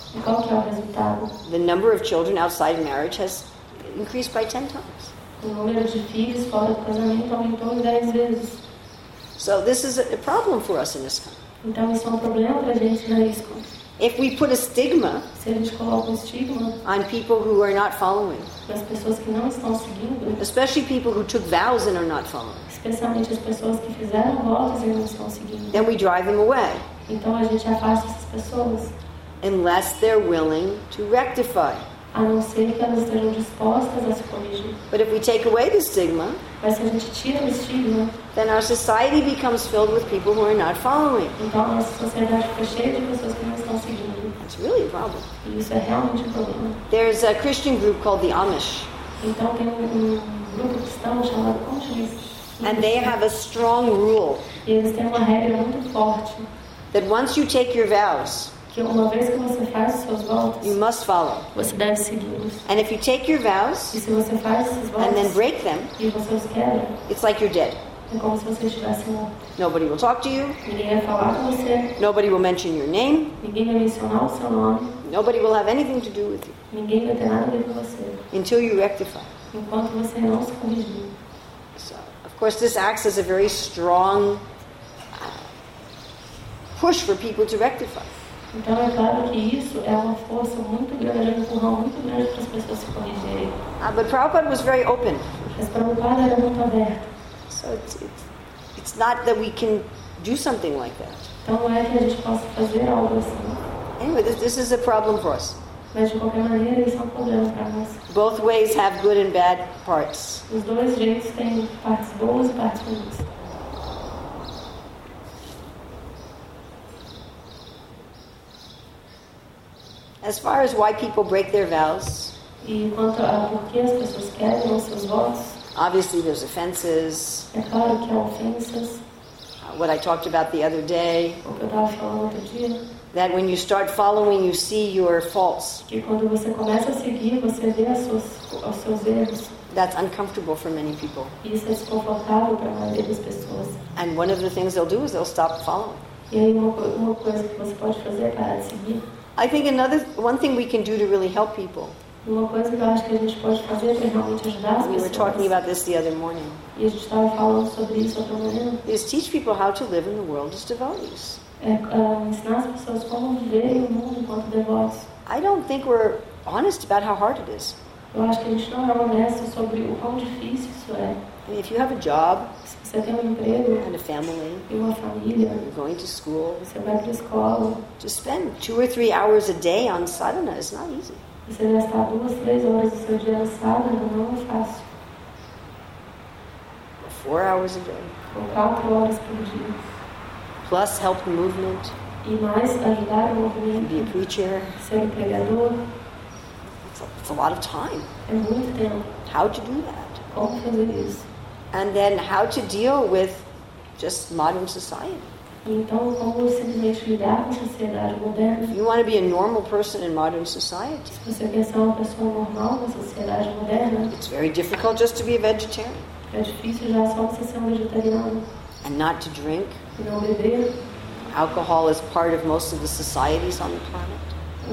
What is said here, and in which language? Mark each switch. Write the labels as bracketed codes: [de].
[en] The number of children outside marriage has increased by 10 times. [pt] O número de filhos fora do casamento aumentou 10 vezes. [en] So this is a problem for us in this country. [pt] Então isso é um problema para a gente na ISKCON. [en] If we put a stigma, [pt] se a gente coloca um estigma, [en] on people who are not following, [pt] as pessoas que não estão seguindo, [en] especially people who took vows and are not following, [pt] especialmente as pessoas que fizeram votos e não estão seguindo, [en] then we drive them away. [pt] Então a gente afasta essas pessoas. [en] Unless they're willing to rectify. [pt] A não ser que elas estejam dispostas a se corrigir. [en] But if we take away the stigma, [pt] mas se a gente tira o estigma, [en] then our society becomes filled with people who are not following. [pt] Então a nossa sociedade fica cheia de pessoas que não estão seguindo. [en] That's really a problem. [pt] Isso é realmente um problema. [en] There's a Christian group called the Amish. [pt] Então tem um grupo cristão chamado como chama isso? [en] And they have a strong rule. [pt] E eles têm uma regra muito forte. [en] That once you take your vows, [pt] que uma vez que você faz os seus votos, [en] you must follow. [pt] Você deve segui-los. [en] And if you take your vows, [pt] e se você faz esses votos, [en] and then break them, [pt] e você os quebra, [en] it's like you're dead. [pt] É como se você estivesse morto. [en] Nobody will talk to you. [pt] Ninguém vai falar com você. [en] Nobody will mention your name. [pt] Ninguém vai mencionar o seu nome. [en] Nobody will have anything to do with you. [pt] Ninguém vai ter nada a ver com você. [en] Until you rectify. [pt] Enquanto você não se corrigir. [en] So, of course, this acts as a very strong push for people to rectify. [pt] Então é claro que isso é uma força muito grande, é um empurrão muito grande para as pessoas se corrigirem. [en] But Prabhupada was very open. [pt] Mas Prabhupada era muito aberto. [en] So it's not that we can do something like that. [pt] Então não é que a gente possa fazer algo assim. [en] Anyway, this is a problem for us. [pt] Mas de qualquer maneira, isso é um problema para nós. [en] Both ways have good and bad parts. [pt] Os dois jeitos têm partes boas e partes ruins. [en] As far as why people break their vows, [pt] e quanto a por que as pessoas quebram seus votos, [en] obviously there's offenses. [pt] É claro que há ofensas. [en] What I talked about the other day, [pt] o que eu estava falando outro dia, [en] that when you start following, you see your faults. [pt] Que quando você começa a seguir, você vê os seus erros. [en] That's uncomfortable for many people. [pt] Isso é desconfortável para a maioria das pessoas. [en] And one of the things they'll do is they'll stop following. [pt] E aí uma coisa que você pode fazer é parar de seguir. [en] I think one thing we can do to really help people. [pt] Uma coisa que eu acho que a gente pode fazer para realmente ajudar as pessoas. [en] We were talking about this the other morning. [pt] E a gente estava falando sobre isso outra manhã. [en] Is teach people how to live in the world as devotees. [pt] Ensinar as pessoas como viver no mundo enquanto devotos. [en] I don't think we're honest about how hard it is. [pt] Eu acho que a gente não é honesto sobre o quão difícil isso é. [en] I mean, if you have a job, [pt] você tem um emprego, [en] and a family, [pt] e uma família, [en] you're going to school, [pt] você vai para a escola, [en] to spend 2 or 3 hours a day on sadhana is not easy. [pt] Você gastar 2, 3 horas do seu dia na sadhana não é fácil. [en] 4 hours a day. [pt] Ou 4 horas por dia. [en] Plus help the movement. [pt] E mais ajudar o movimento. [en] Be a preacher. [pt] Ser um pregador. [en] It's a lot of time. [pt] É muito tempo. [en] How to do that? [pt] Como fazer isso? [en] And then how to deal with just modern society. [pt] Então, como simplesmente lidar com a sociedade moderna? [en] You want to be a normal person in modern society. [pt] Se você quer ser uma pessoa normal na sociedade moderna, [en] it's very difficult just to be a vegetarian. [pt] É difícil já só você ser um vegetariano. [en] And not to drink. [pt] E não beber. [en] Alcohol is part of most of the societies on the planet.